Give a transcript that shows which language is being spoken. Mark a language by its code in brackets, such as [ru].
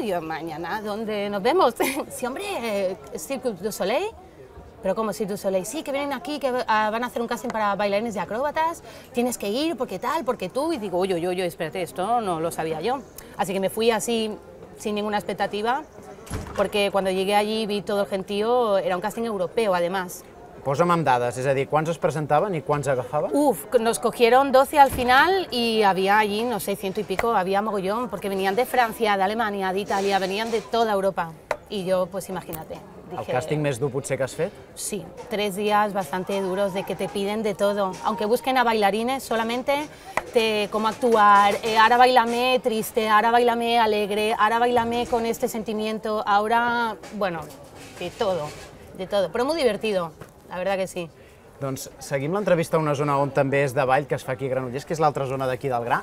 [es] Y yo, mañana, ¿dónde nos vemos? Sí, hombre, Cirque du Soleil. Pero ¿cómo Cirque du Soleil? Sí, que vienen aquí, que van a hacer un casting para bailarines y acróbatas. Tienes que ir, porque tal, porque tú. Y digo, oye, espérate, esto no lo sabía yo. Así que me fui así, sin ninguna expectativa, porque cuando llegué allí vi todo el gentío, era un casting europeo, además. [ca] Posa'm amb dades, és a dir, quants es presentaven i quants agafaven? [es] Uf, nos cogieron 12 al final y había allí, no sé, 100 y pico, había mogollón, porque venían de Francia, de Alemania, de Italia, venían de toda Europa. Y yo, pues imagínate. [ca] Dije, ¿el càsting més dur potser que has fet? [es] Sí, 3 días bastante duros de que te piden de todo. Aunque busquen a bailarines, solamente cómo actuar, ahora bailame triste, ahora bailame alegre, ahora bailame con este sentimiento, ahora, bueno, de todo, pero muy divertido. La verdad que sí. [ca] Doncs seguim l'entrevista a una zona on també és de ball, que es fa aquí a Granollers, que és l'altra zona d'aquí del Gra.